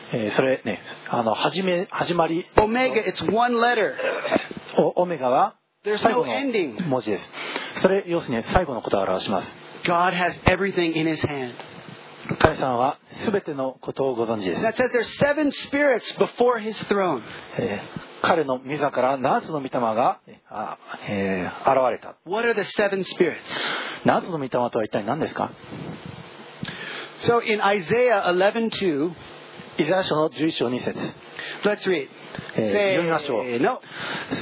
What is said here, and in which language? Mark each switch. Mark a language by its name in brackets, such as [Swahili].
[Japanese] それね、あの始まり。 [English] Omega, it's one letter. [Japanese] オメガは最後の文字です。 [English] There's no ending. [Japanese] それ要するに最後のことを表します。 [English] God has everything in His hand. [Japanese] 神様は全てのことをご存知です。 [English] That says there's seven spirits before His throne. [Japanese] 彼の御座から7つの御霊が現れた。 [English] What are the seven spirits? [Japanese] 7つの御霊とは一体何ですか？ [English] So in Isaiah 11:2, [Japanese] イザヤ書の11章2節。 [English] Let's read. [Japanese] 読みましょう。